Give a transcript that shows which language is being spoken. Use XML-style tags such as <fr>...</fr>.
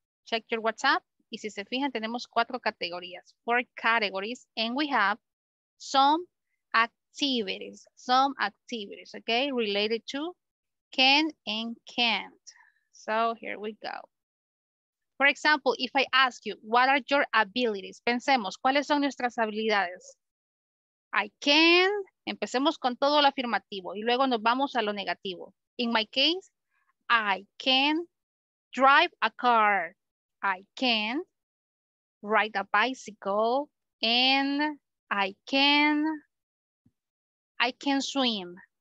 <en>Check your WhatsApp.</en> <es>Y si se fijan, tenemos cuatro categorías,</es> <en>four categories, and we have some activities, okay, related to can and can't. So here we go. For example, if I ask you, what are your abilities?</en> <es>Pensemos, ¿cuáles son nuestras habilidades?</es> <en>I can,</en> <es>empecemos con todo lo afirmativo y luego nos vamos a lo negativo.</es> <en>In my case, I can drive a car. I can ride a bicycle and I can swim.</en>